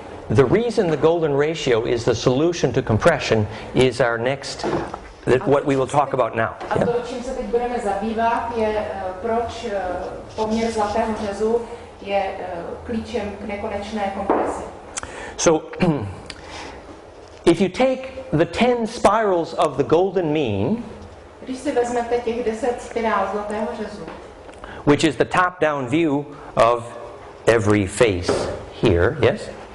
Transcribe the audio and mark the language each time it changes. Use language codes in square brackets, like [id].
[en] The reason the golden ratio is the solution to compression is our next, what we will talk about now. [cs] A yeah? To, čím se teď budeme zabývat, je proč poměr zlatého řezu je klíčem k nekonečné kompresi. [en] So, if you take the 10 spirals of the golden mean, [cs] když si vezmete těch 10 spirál zlatého řezu, [en] which is the top-down view of every face here, yes?